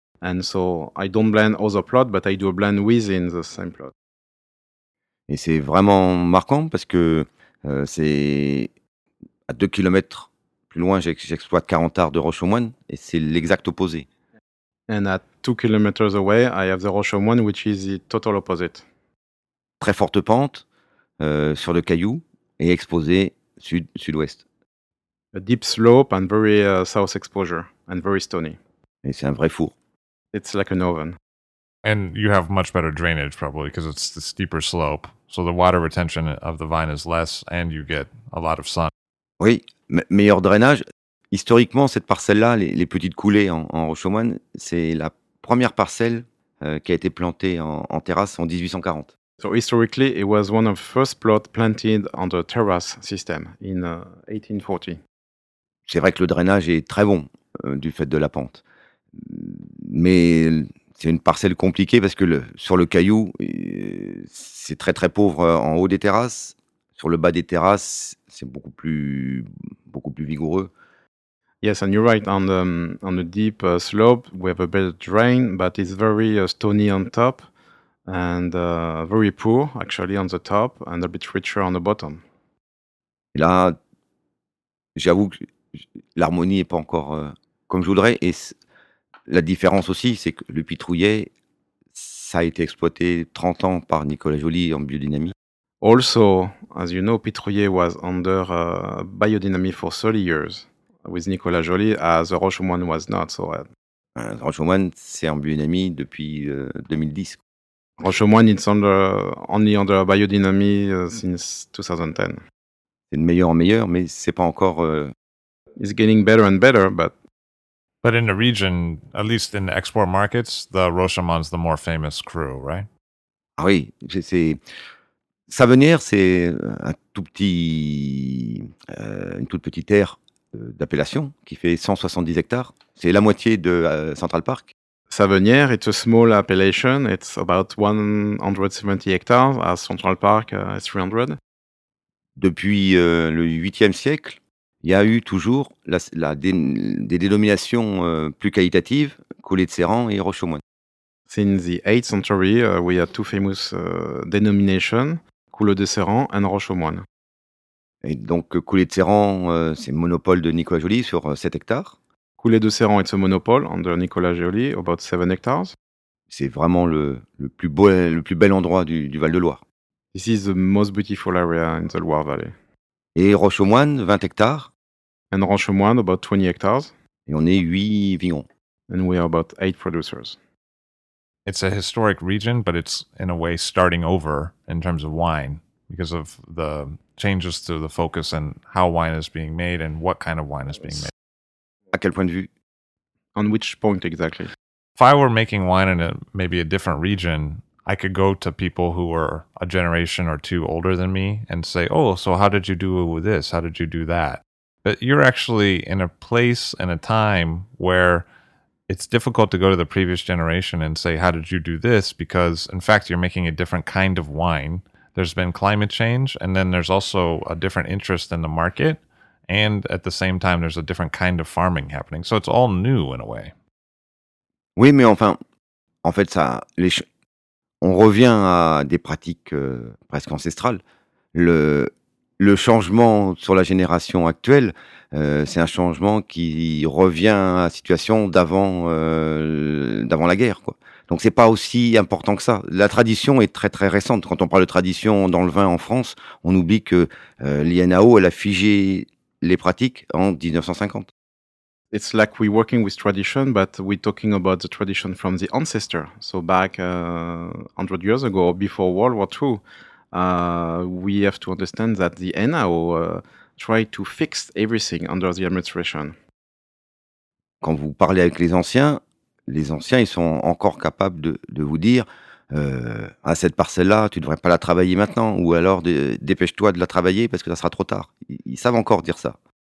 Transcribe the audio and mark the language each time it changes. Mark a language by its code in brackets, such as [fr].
[en] And so I don't blend other plot, but I do a blend within the same plot. [fr] Et c'est vraiment marquant parce que c'est à 2 km plus loin, j'exploite 40 arts de roche aux moines et c'est l'exact opposé. [en] And at 2 km away, I have the roche aux moines, which is the total opposite. [fr] Très forte pente, sur le caillou et exposé sud-sud-ouest. [en] A deep slope and very south exposure and very stony. [fr] Et c'est un vrai four. [en] It's like an oven. And you have much better drainage probably because it's the steeper slope. So the water retention of the vine is less and you get a lot of sun. [fr] Oui, meilleur drainage. Historiquement, cette parcelle-là, les petites coulées en roche aux moines, c'est la première parcelle qui a été plantée en terrasse en 1840. [en] So historically, it was one of the first plots planted on the terrace system in 1840. [fr] C'est vrai que le drainage est très bon du fait de la pente. Mais c'est une parcelle compliquée parce que sur le caillou, c'est très très pauvre en haut des terrasses. Sur le bas des terrasses, c'est beaucoup plus vigoureux. [en] Yes, and you're right, on the deep slope, we have a better drain, but it's very stony on top. And very poor, actually, on the top, and a bit richer on the bottom. [fr] Là, j'avoue que l'harmonie n'est pas encore comme je voudrais. Et la différence aussi, c'est que le pitrouillet, ça a été exploité 30 ans par Nicolas Joly en biodynamie. [en] Also, as you know, pitrouillet was under biodynamy for 30 years, with Nicolas Joly, as the Rochemouane was not. So, [fr] Rochemouane, c'est en biodynamie depuis 2010. [en] Rochemouane, it's only under biodynamy since 2010. [fr] C'est de meilleur en meilleur, mais c'est pas encore. [en] It's getting better and better, but. But in the region, at least in the export markets, the Rochemouane's the more famous crew, right? [fr] Ah oui, c'est. Savenières, c'est un tout petit. Une toute petite aire d'appellation qui fait 170 hectares. C'est la moitié de Central Park. [en] Savenières, it's a small appellation. It's about 170 hectares, as Central Park is 300. [fr] Depuis le 8e siècle, il y a eu toujours des dénominations plus qualitatives, Coulée de Serran et Rochemouane. [en] Since the 8th century, we had two famous denominations, Coulée de Serran and Rochemouane. [fr] Et donc, Coulée de Serran, c'est monopole de Nicolas Joly sur 7 hectares. [en] Coulée de Serran [fr] est un monopole [en] under Nicolas Joly, about 7 hectares. [fr] C'est vraiment le plus bel endroit du Val-de-Loire. [en] This is the most beautiful area in the Loire Valley. [fr] Et Rochemouane, 20 hectares. [en] And Rochemouane, about 20 hectares. [fr] Et on est 8 vignerons. [en] And we are about 8 producers. It's a historic region, but it's in a way starting over in terms of wine, because of the changes to the focus and how wine is being made and what kind of wine is being made. [fr] À quel point de vue? [en] On which point exactly? If I were making wine in maybe a different region, I could go to people who were a generation or two older than me and say, oh, so how did you do this? How did you do that? But you're actually in a place and a time where it's difficult to go to the previous generation and say, how did you do this? Because in fact, you're making a different kind of wine. There's been climate change, and then there's also a different interest in the market. And at the same time, there's a different kind of farming happening. So it's all new in a way. [fr] Oui, mais enfin, en fait, ça, on revient à des pratiques presque ancestrales. Le changement sur la génération actuelle, c'est un changement qui revient à la situation d'avant la guerre, quoi. Donc c'est pas aussi important que ça. La tradition est très très récente. Quand on parle de tradition dans le vin en France, on oublie que l'INAO, elle a figé les pratiques en 1950. [en] It's like we're working with tradition, but we're talking about the tradition from the ancestor. So back 100 years ago, before World War II, we have to understand that the INAO tried to fix everything under the administration. [fr] Quand vous parlez avec les anciens, ils sont encore capables de vous dire à cette parcelle-là, tu ne devrais pas la travailler maintenant, ou alors dépêche-toi de la travailler parce que ça sera trop tard. Ils savent encore dire ça.